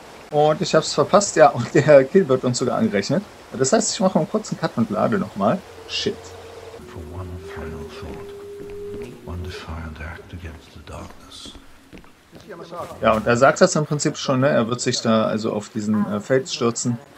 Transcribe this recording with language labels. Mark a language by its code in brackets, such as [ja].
[de] Und ich hab's verpasst. Ja, und der Kill wird uns sogar angerechnet. Das heißt, ich mache einen kurzen Cut und lade nochmal. [en] Shit. For one final thought. One defiant act against the darkness. [de] Ja, und er sagt das im Prinzip schon, ne? Er wird sich da also auf diesen Feld stürzen.